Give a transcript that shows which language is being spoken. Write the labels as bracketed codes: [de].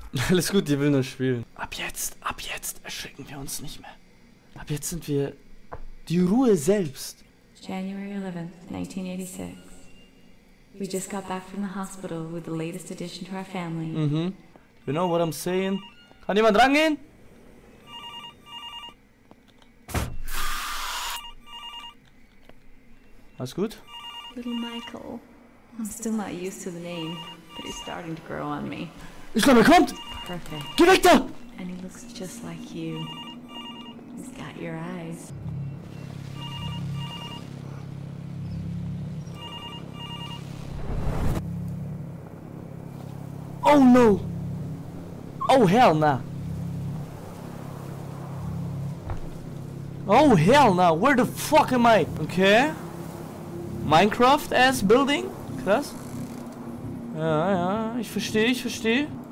[de] Alles gut, die will nur spielen. Ab jetzt erschrecken wir uns nicht mehr. Ab jetzt sind wir die Ruhe selbst. [en] January 11th, 1986. We just got back from the hospital with the latest addition to our family. Mm-hmm. You know what I'm saying? [de] Kann jemand rangehen? Alles gut? [en] Little Michael. I'm still not used to the name, but he's starting to grow on me. [de] Ich glaube, er kommt! [en] Perfect. [de] Geh weg da! [en] And he looks just like you. He's got your eyes. Oh no! Oh hell nah! Oh hell nah! Where the fuck am I? Okay. Minecraft ass building? [de] Krass. Ja, ja, ich verstehe, ich verstehe.